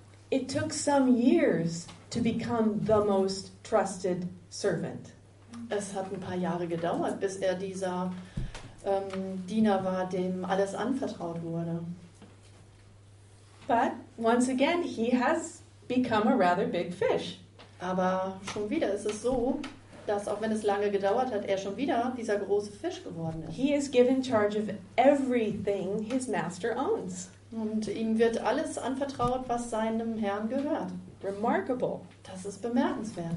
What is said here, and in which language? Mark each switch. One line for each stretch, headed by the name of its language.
English: It took some years to become the most trusted servant.
German: Es hat ein paar Jahre gedauert, bis er dieser Diener war, dem alles anvertraut wurde.
English: But once again, he has become a rather big fish.
German: Aber schon wieder ist es so, dass auch wenn es lange gedauert hat, er schon wieder dieser große Fisch geworden ist.
English: He is given charge of everything his master owns.
German: Und ihm wird alles anvertraut, was seinem Herrn gehört.
English: Remarkable.
German: Das ist bemerkenswert.